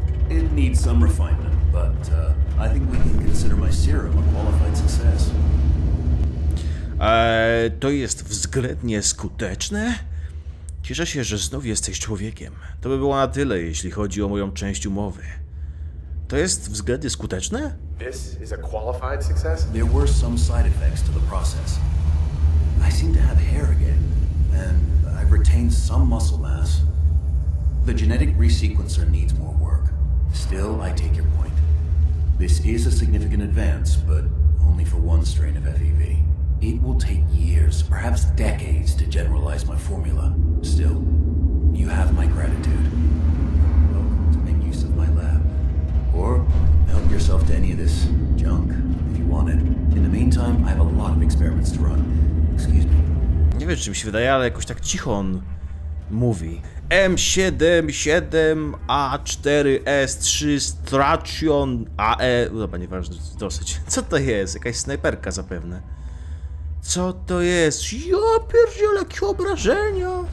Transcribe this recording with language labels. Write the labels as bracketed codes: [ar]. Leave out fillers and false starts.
[en] It needs some refinement, but I think we can consider my serum a qualified success. [pl] To jest względnie skuteczne? Cieszę się, że znów jesteś człowiekiem. To by było na tyle, jeśli chodzi o moją część umowy. To jest względnie skuteczne? [en] This is a qualified success? There were some side effects to the process. I seem to have hair again, and I've retained some muscle mass. The genetic resequencer needs more work. Still, I take your point. This is a significant advance, but only for one strain of FEV. It will take years, perhaps decades, to generalize my formula. Still, you have my gratitude. Welcome to make use of my lab. Or help yourself to any of this junk, if you want it. In the meantime, I have a lot of experiments to run. Excuse me. [pl] Nie wiem, czy mi się wydaje, ale jakoś tak cicho on mówi. M77A4S3 Stration AE... Dobra, nieważne, dosyć. Co to jest? Jakaś snajperka zapewne. Co to jest? Ja pierdziele, jakie obrażenia!